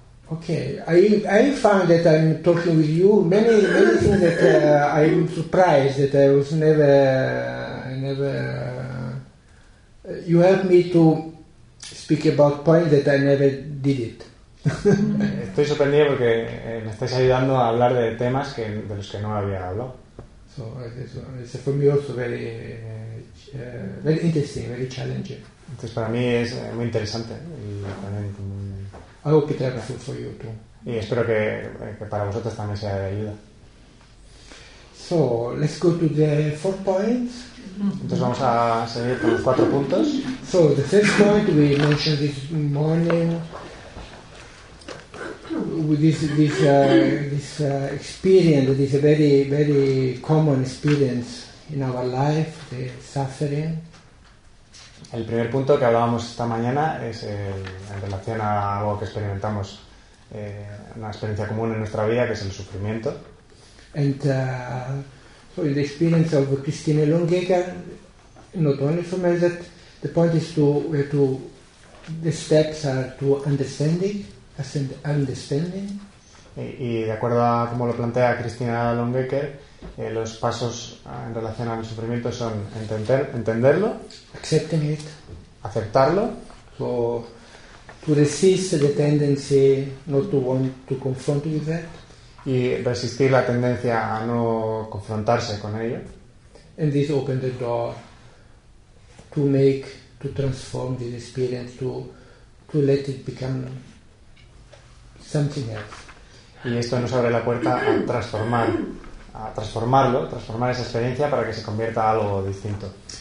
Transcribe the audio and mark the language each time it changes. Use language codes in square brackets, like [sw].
[en] Okay, I found that I'm talking with you many things that I'm surprised that I was never you helped me to speak about points that I never did it. [es] Estoy sorprendido porque me estás ayudando a hablar de temas que de los que no había hablado. [en] So it's for me also very very interesting, very challenging. [es] Entonces para mí es muy interesante y también como algo que te haga [en] for you too. [es] Y espero que para vosotros también sea de ayuda. [en] So let's go to the four points. [es] Entonces vamos a seguir con los cuatro puntos. [en] So the first point we mentioned this morning with this experience, this very very common experience in our life, the suffering. [es] El primer punto que hablábamos esta mañana es en relación a algo que experimentamos, una experiencia común en nuestra vida, que es el sufrimiento. [en] And so the experience of Christine Longacre, not only from that, The point is to the steps are to understanding, understanding. [es] Y de acuerdo a cómo lo plantea Cristina Longbecker, los pasos en relación al sufrimiento son entenderlo, [en] accepting it, [es] aceptarlo, [en] so, to resist the tendency not to want to confront with that, [es] y resistir la tendencia a no confrontarse con ello, [en] and this opens the door to make, to transform this experience, to let it become something else. [es] Y esto nos abre la puerta a transformar esa experiencia para que se convierta en algo distinto.